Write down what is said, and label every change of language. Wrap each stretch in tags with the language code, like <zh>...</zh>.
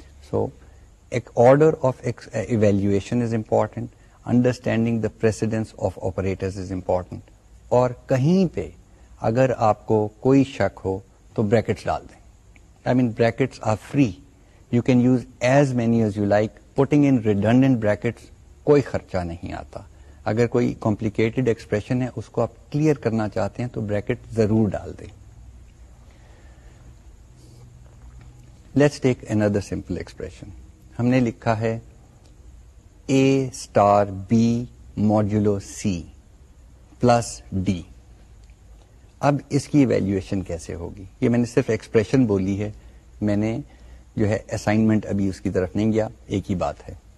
<en>so ایک order of evaluation is important, understanding the precedence of operators is important,</en> <ur>اور کہیں پہ اگر آپ کو کوئی شک ہو تو بریکٹس ڈال دیں.</ur> <en>I mean brackets are free, you can use as many as you like. Putting in redundant brackets</en> <ur>کوئی خرچہ نہیں آتا. اگر کوئی کمپلیکیٹڈ ایکسپریشن ہے اس کو آپ کلیئر کرنا چاہتے ہیں تو بریکٹ ضرور ڈال دیں.</ur> <en>Let's take another simple expression.</en> <ur>ہم نے لکھا ہے اے star B modulo C plus D. اب اس کی ایویلیویشن کیسے ہوگی؟ یہ میں نے صرف ایکسپریشن بولی ہے, میں نے جو ہے اسائنمنٹ ابھی اس کی طرف نہیں گیا, ایک ہی بات ہے.</ur>